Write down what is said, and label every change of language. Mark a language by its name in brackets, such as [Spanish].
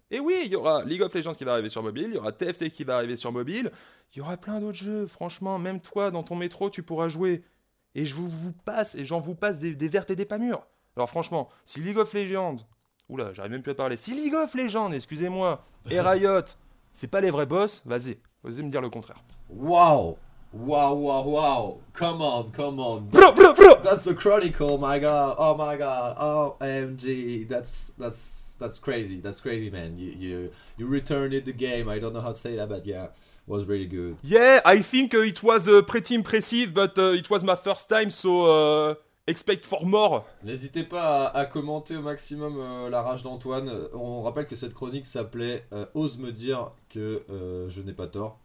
[French] Et oui, il y aura League of Legends qui va arriver sur mobile, il y aura TFT qui va arriver sur mobile, il y aura plein d'autres jeux, franchement, même toi, dans ton métro, tu pourras jouer. Et je vous passe, et j'en vous passe des vertes et des pas mûres. Alors franchement, si League of Legends, oula, j'arrive même plus à parler, si League of Legends, excusez-moi, et Riot, c'est pas les vrais boss, vas-y, osez me dire le contraire. [English] Wow, come on. Bro. That's a chronicle, my god, OMG, that's crazy, man. You returned the game. I don't know how to say that, but yeah, was really good. Yeah, I think it was pretty impressive, but it was my first time, so expect for more. [French] N'hésitez pas à commenter au maximum la rage d'Antoine. On rappelle que cette chronique s'appelait Ose me dire que je n'ai pas tort.